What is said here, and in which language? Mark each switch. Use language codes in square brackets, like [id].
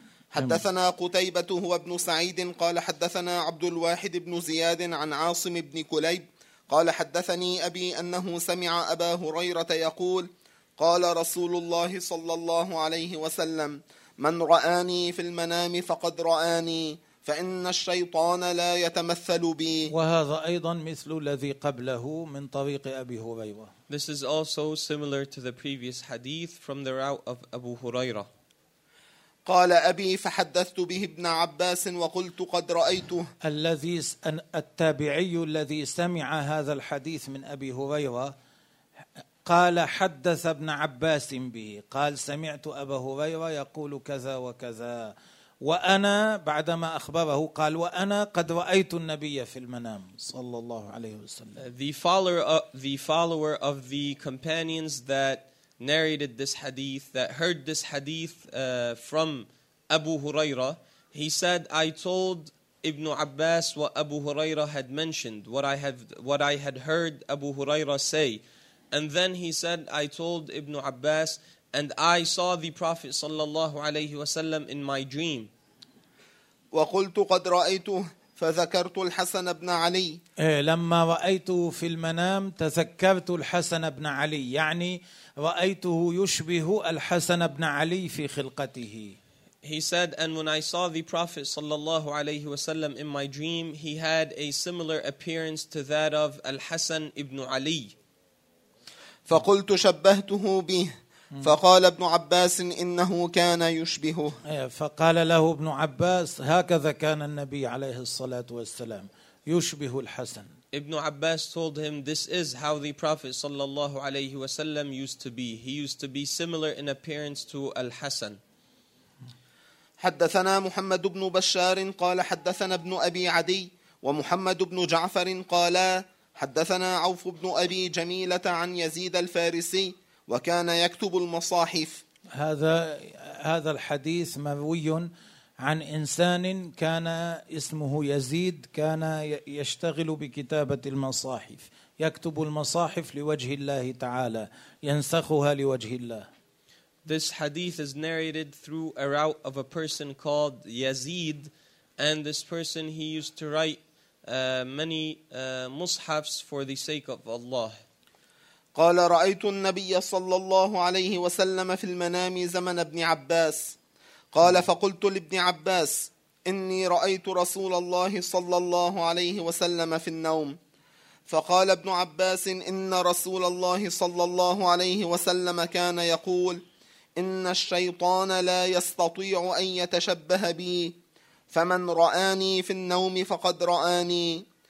[ar] حدثنا قتيبة هو ابن سعيد قال حدثنا عبد الواحد بن زياد عن عاصم بن كليب قال حدثني أبي أنه سمع أبا هريرة يقول قال رسول الله صلى الله عليه وسلم من رآني في المنام فقد رآني فإن الشيطان لا يتمثل بي. وهذا أيضا مثل الذي قبله من طريق أبي هريرة. [en] This is also similar to the previous hadith from the route of Abu Huraira. [ar] قال أبي فحدثت به ابن عباس وقلت قد رأيته. الذي التابعي الذي سمع هذا الحديث من أبي هريرة قال حدث ابن عباس به قال سمعت أبا هريرة يقول كذا وكذا وأنا بعدما أخبره قال وأنا قد رأيت النبي في المنام صلى الله عليه وسلم. [en] The follower of the companions that narrated this hadith, that heard this hadith from Abu Huraira, he said, I told Ibn Abbas what Abu Huraira had mentioned, what I had heard Abu Huraira say. And then he said, I told Ibn Abbas, and I saw the Prophet sallallahu alayhi wa sallam in my dream. [ar] وقلت قد رأيته فذكرت الحسن بن علي. لما رأيته في المنام تذكرت الحسن بن علي. يعني رأيته يشبه الحسن بن علي في خلقته. [en] He said, and when I saw the Prophet sallallahu alayhi wa sallam in my dream, he had a similar appearance to that of al-Hasan ibn Ali. [ar] فقلت شبهته به. فقال ابن عباس إنه كان يشبهه. فقال له ابن عباس هكذا كان النبي عليه الصلاة والسلام يشبه الحسن. [en] ابن عباس told him this is how the Prophet [ar] صلى الله عليه وسلم [en] used to be. He used to be similar in appearance to الحسن. [ar] حدثنا محمد بن بشار قال حدثنا ابن أبي عدي ومحمد بن جعفر قال حدثنا عوف بن أبي جميلة عن يزيد الفارسي وكان يكتب المصاحف. هذا الحديث مروي عن إنسان كان اسمه يزيد كان يشتغل بكتابة المصاحف يكتب المصاحف لوجه الله تعالى ينسخها لوجه الله. [en] This hadith is narrated through a route of a person called Yazid, and this person he used to write many mushafs for the sake of Allah. [ar] قال رأيت النبي صلى الله عليه وسلم في المنام زمن ابن عباس. قال فقلت لابن عباس إني رأيت رسول الله صلى الله عليه وسلم في النوم. فقال ابن عباس إن رسول الله صلى الله عليه وسلم كان يقول إن الشيطان لا يستطيع أن يتشبه بي، فمن رآني في النوم فقد رآني.